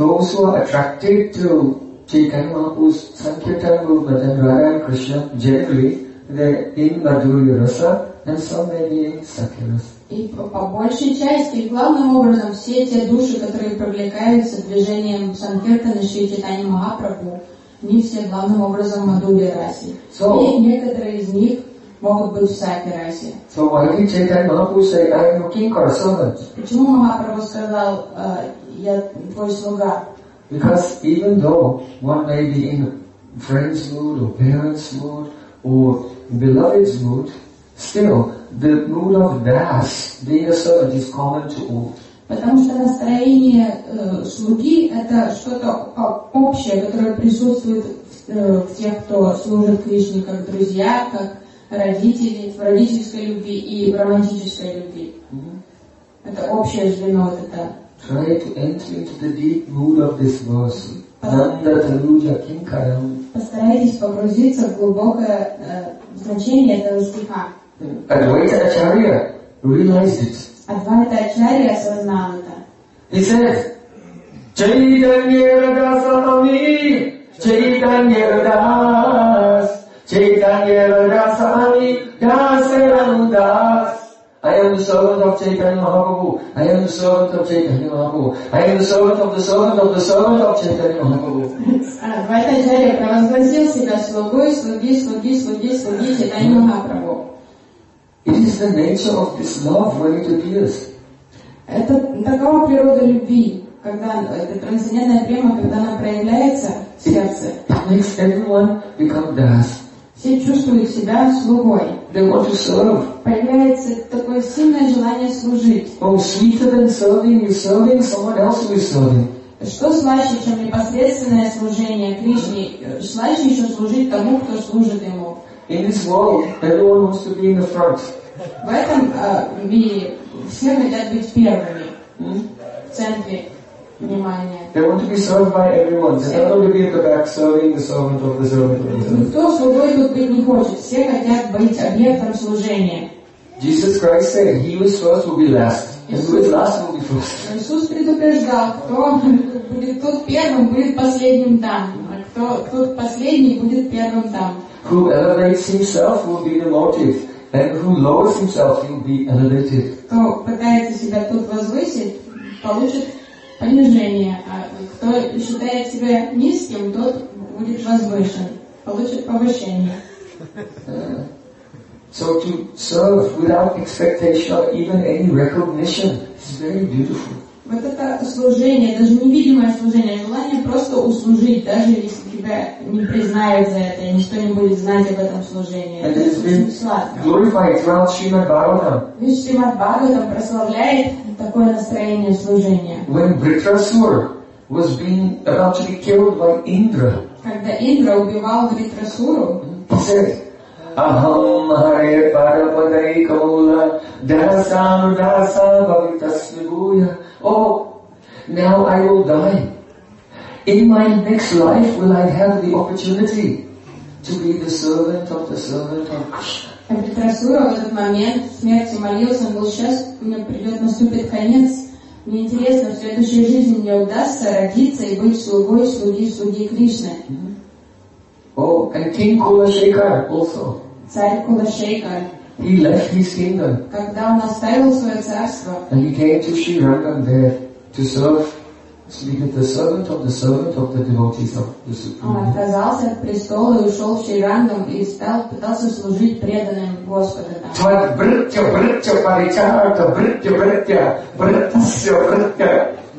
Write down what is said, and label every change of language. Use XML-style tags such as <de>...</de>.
<en>Those who are attracted to Chaitanya Mahaprabhu's Sankirtana movement and Radha and Krishna, generally, they're in Madhurya Rasa and some may be in Sakya Rasa.</en> <ru>И по большей части, главным образом, все те души, которые привлекаются движением Санкиртана Шри Чайтани Махапрабху, не все главным образом Мадхурья Раса.</ru> <en>So,</en> <ru>и некоторые из них могут быть в Сакья Расе.</ru> <en>So why did Chaitanya Mahaprabhu say, I am your king or a servant?</en> <ru>Почему Махапрабху сказал, я твой слуга?</ru> <en>Because even though one may be in friend's mood or parents' mood or beloved's mood, still the mood of das, being a servant, is common to all.</en> <ru>Потому что настроение слуги это что-то общее, которое присутствует в тех, кто служит Кришне как друзья, как родители, в родительской любви и в романтической любви. Mm-hmm. Это общее звено вот это.</ru> <en>Try to enter into the deep mood of this verse.</en> <sa>Nanda Tanuja Kinkaram.</sa> <ru>Постарайтесь погрузиться в глубокое значение этого стиха.</ru> <en>Advaita Acharya realized it.</en> <ru>Advaita Acharya осознал это.</ru> <en>He says,</en> <sa>Chaitanya Radasa Mami, Chaitanya Radas, Chaitanya Radasa Mami, Dasaram Das.</sa> <en>I am the servant of Chaitanya Mahaprabhu. I am the servant of Chaitanya Mahaprabhu. I am the servant of the servant of the servant of Chaitanya Mahaprabhu.</en> <ru>Advaita Acharya провозгласил себя слугой, слуги, слуги, слуги, слуги Чайтанья Махапрабху.</ru> <en>It is the nature of this love when it appears.</en> <ru>Это такова природа любви, когда это трансцендентная према, когда она проявляется в сердце.</ru> <en>Makes everyone become das.</en> <ru>Все чувствуют себя слугой.</ru> <en>They want to serve.</en> <ru>Появляется такое сильное желание служить.</ru> <en>Oh, sweeter than serving, you're serving someone else who is serving.</en> <ru>Что слаще, чем непосредственное служение Кришне? Слаще еще служить тому, кто служит ему.</ru> <en>In this world, everyone wants to be in the front.</en> <ru>В этом мире все хотят быть первыми.</ru> <en>They want to be served by everyone. They don't want to be at the back serving the servant of the servant. Jesus Christ said, he who is first will be last. And who is last will be first.</en> <ru>Иисус предупреждал, кто будет тот первым, будет последним там. Кто тот последний, будет первым там.</ru> <en>Who elevates himself will be demoted, and who lowers himself will be elevated.</en> <ru>Кто пытается себя тут возвысить, получит понижение. А кто считает себя низким, тот будет возвышен, получит повышение.</ru> <en>So to serve without expectation or even any recognition is very beautiful.</en> <ru>Вот это служение, даже невидимое служение, желание просто услужить, даже если тебя не признают за это, никто не будет знать об этом служении.</ru> <en>And it's been glorified throughout Srimad Bhagavatam.</en> <ru>Ведь Srimad Bhagavatam прославляет такое настроение служения.</ru> <en>When Vritrasura was being about to be killed by Indra.</en> <ru>Когда Индра убивал Вритрасуру.</ru> <sa>Aham hare paramadai kaula dasanu dasa bhavitasvibhuya.</sa> <en>Oh, now I will die. In my next life will I have the opportunity to be the servant of the servant of Krishna.</en> <ru>Вритрасура в этот момент смерти молился, он был сейчас, мне придет, наступит конец. Мне интересно, в следующей жизни мне удастся родиться и быть слугой слуги, слуги Кришны.</ru> <en>Oh, and King Kulashekar also.</en> <ru>Царь Кулашейкар.</ru> <en>He left his kingdom.</en> <ru>Когда он оставил свое царство.</ru> <en>And he came to Sri Rangam there to serve, to be the servant of the servant of the devotees of the Supreme.</en> <ru>Он отказался от престола и ушел в Шри Рангам и стал пытался служить преданным Господу.</ru> <sa>Твад бритья бритья паричарата бритья бритья бритья бритья.</sa>